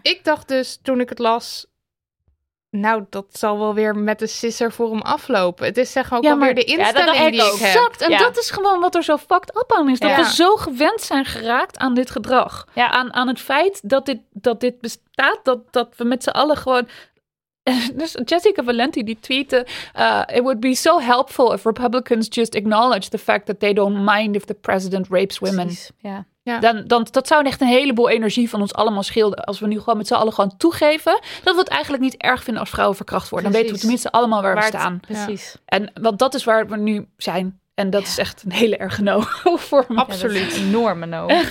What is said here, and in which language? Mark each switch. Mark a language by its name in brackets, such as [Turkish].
[Dutch] Ik dacht dus toen ik het las, nou, dat zal wel weer met de sisser voor hem aflopen. Het is zeg maar ook weer de instelling die ik heb. Exact. En dat is gewoon wat er zo fucked up aan is. Dat we zo gewend zijn geraakt aan dit gedrag. Ja. Aan het feit dat dit bestaat. Dat we met z'n allen gewoon... Dus Jessica Valenti die tweette, [English] it would be so helpful if Republicans just acknowledge the fact that they don't mind if the president rapes women. [Dutch] Precies. Ja. Dan dat zou echt een heleboel energie van ons allemaal schelen als we nu gewoon met z'n allen gewoon toegeven dat we het eigenlijk niet erg vinden als vrouwen verkracht worden. Precies. Dan weten we tenminste allemaal waar we staan. Precies. Ja. En want dat is waar we nu zijn. En dat is echt een hele erge no voor me. Absoluut. Een enorme no.